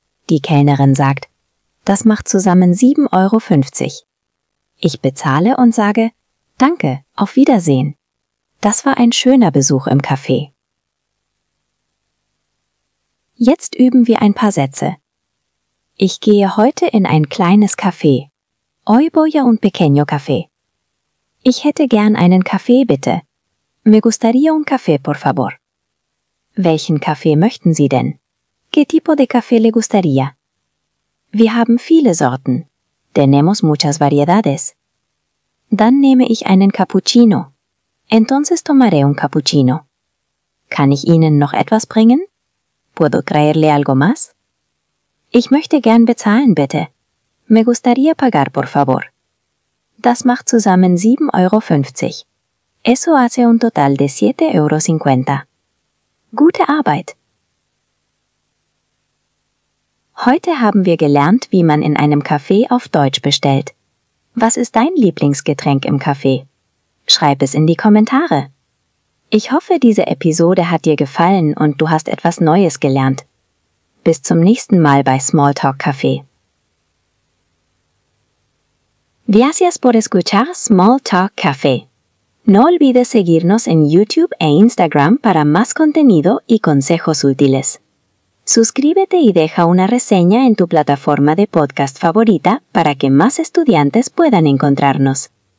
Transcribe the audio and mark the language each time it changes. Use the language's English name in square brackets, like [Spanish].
[German] Die Kellnerin sagt, das macht zusammen 7,50 Euro. Ich bezahle und sage, danke, auf Wiedersehen. Das war ein schöner Besuch im Café. Jetzt üben wir ein paar Sätze. Ich gehe heute in ein kleines Café. [Spanish] Hoy voy a un pequeño café. [German] Ich hätte gern einen Kaffee, bitte. [Spanish] Me gustaría un café, por favor. [German] Welchen Kaffee möchten Sie denn? [Spanish] ¿Qué tipo de café le gustaría? [German] Wir haben viele Sorten. [Spanish] Tenemos muchas variedades. [German] Dann nehme ich einen Cappuccino. [Spanish] Entonces tomaré un cappuccino. [German] Kann ich Ihnen noch etwas bringen? [Spanish] ¿Puedo traerle algo más? [German] Ich möchte gern bezahlen, bitte. [Spanish] Me gustaría pagar, por favor. [German] Das macht zusammen 7,50 Euro. [Spanish] Eso hace un total de 7,50 Euro. [German] Gute Arbeit! Heute haben wir gelernt, wie man in einem Café auf Deutsch bestellt. Was ist dein Lieblingsgetränk im Café? Schreib es in die Kommentare. Ich hoffe, diese Episode hat dir gefallen und du hast etwas Neues gelernt. Bis zum nächsten Mal bei Smalltalk Café. [Spanish] Gracias por escuchar Smalltalk Café. No olvides seguirnos en YouTube e Instagram para más contenido y consejos útiles. Suscríbete y deja una reseña en tu plataforma de podcast favorita para que más estudiantes puedan encontrarnos.